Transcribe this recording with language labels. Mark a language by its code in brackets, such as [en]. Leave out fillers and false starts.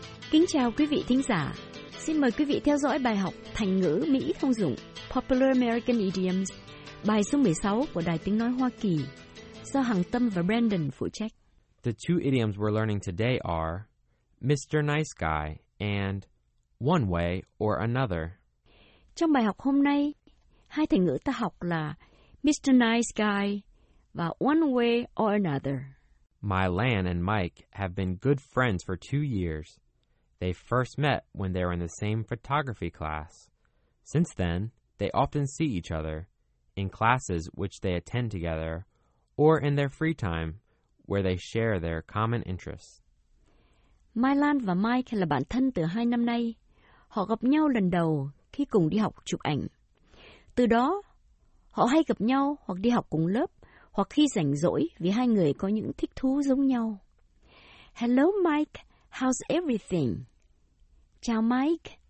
[vi] Kính chào quý vị thính giả. Xin mời quý vị theo dõi bài học Thành ngữ Mỹ thông dụng [en] Popular American Idioms, [vi] bài số 16 của Đài Tiếng Nói Hoa Kỳ, do Hằng Tâm và Brandon phụ trách. [en] The two idioms we're learning today are Mr. Nice Guy and One Way or Another. [vi] Trong bài học hôm nay, hai thành ngữ ta học là Mr. Nice Guy và One Way or Another. [en] My Lan and Mike have been good friends for 2 years. They first met when they were in the same photography class. Since then, they often see each other in classes which they attend together or in their free time where they share their common interests. [vi] My Lan và Mike là bạn thân từ 2 năm nay. Họ gặp nhau lần đầu khi cùng đi học chụp ảnh. Từ đó, họ hay gặp nhau hoặc đi học cùng lớp hoặc khi rảnh rỗi vì hai người có những thích thú giống nhau. [en] Hello, Mike. How's everything? [vi] Chào Mike.